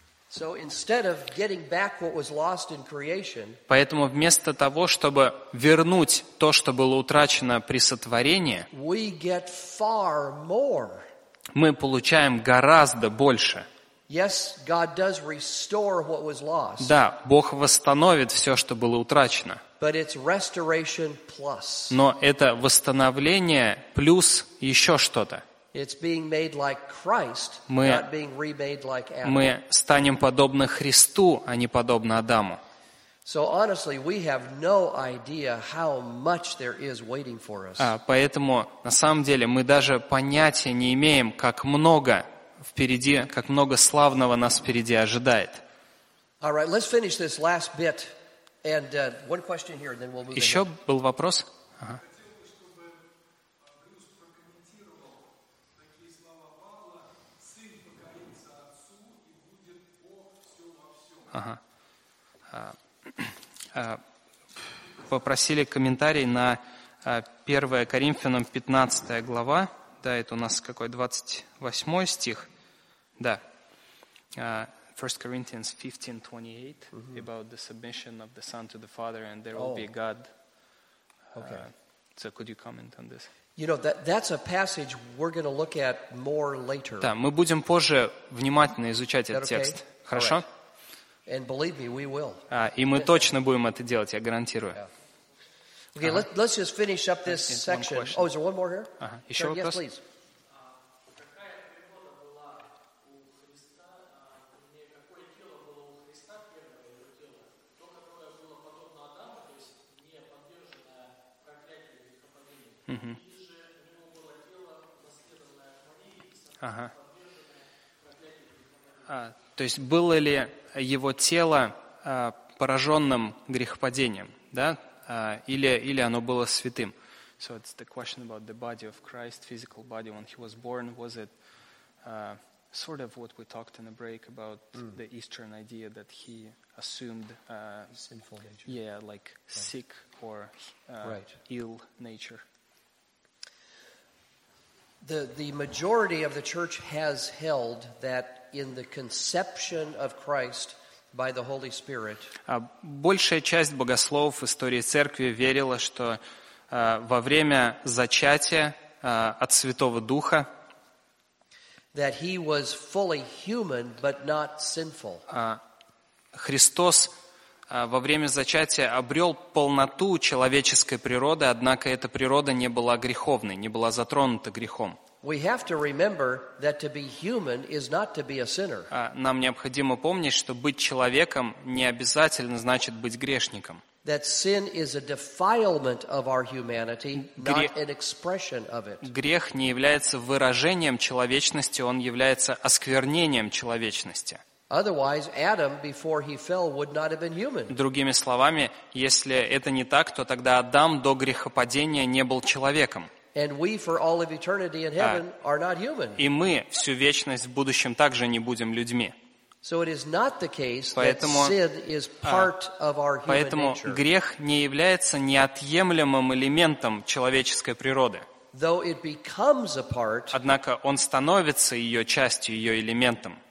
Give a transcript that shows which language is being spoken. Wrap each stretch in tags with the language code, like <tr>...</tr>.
<en>So instead of getting back what was lost in creation,</en> <ru>поэтому вместо того, чтобы вернуть то, что было утрачено при сотворении,</ru> <en>we get far more.</en> <ru>Мы получаем гораздо больше.</ru> <en>Yes, God does restore what was lost.</en> <ru>Да, Бог восстановит все, что было утрачено.</ru> <en>But it's restoration plus.</en> <ru>Но это восстановление плюс еще что-то.</ru> <en>It's being made like Christ, not being remade like Adam.</en> <ru>Мы станем подобны Христу, а не подобны Адаму.</ru> <en>So honestly, we have no idea how much there is waiting for us.</en> <ru>Поэтому на самом деле мы даже понятия не имеем, как много впереди, как много славного нас впереди ожидает.</ru> <en>All right, let's finish this last bit, and one question here, and then we'll move.</en> <ru>Еще был вопрос? Попросили комментарий на 1 Коринфянам 15 глава. Да, это у нас какой, 28 стих? Да.</ru> <en>1 Corinthians 15:28 about the submission of the Son to the Father and there will be God. Okay. So could you comment on this? You know, that's a passage we're going to look at more later.</en> <ru>Да, мы будем позже внимательно изучать этот текст. Хорошо?</ru> <en>And believe me, we will.</en> <ru>И мы точно будем это делать, я гарантирую.</ru> <en>Yeah. Okay, let's just finish up this section. Oh, is there one more here?</en> <ru>Еще вопрос?</ru> <en>Yes, please.</en> <ru>То есть было ли его тело пораженным грехопадением, да? Или оно было святым?</ru> <en>So it's the question about the body of Christ, physical body, when he was born, was it sort of what we talked in the break about the Eastern idea that he assumed sinful nature? Yeah, like right. Sick or ill nature. The majority of the church has held that in the conception of Christ by the Holy Spirit.</en> <ru>Большая часть богословов истории церкви верила, что во время зачатия от Святого Духа</ru> <en>that he was fully human but not sinful.</en> <ru>Христос во время зачатия обрел полноту человеческой природы, однако эта природа не была греховной, не была затронута грехом.</ru> <en>We have to remember that to be human is not to be a sinner.</en> <ru>Нам необходимо помнить, что быть человеком не обязательно значит быть грешником.</ru> <en>That sin is a defilement of our humanity, not an expression of it.</en> <ru>Грех не является выражением человечности, он является осквернением человечности.</ru> <en>Otherwise, Adam, before he fell, would not have been human.</en> <ru>Другими словами, если это не так, то тогда Адам до грехопадения не был человеком.</ru> <en>And we, for all of eternity in heaven, are not human.</en> <ru>И мы всю вечность в будущем также не будем людьми.</ru> <en>So it is not the case that sin is part of our human nature.</en> <ru>Поэтому грех не является неотъемлемым элементом человеческой природы.</ru> <en>Though it becomes a part.</en> <ru>Однако он становится ее частью, ее элементом.</ru>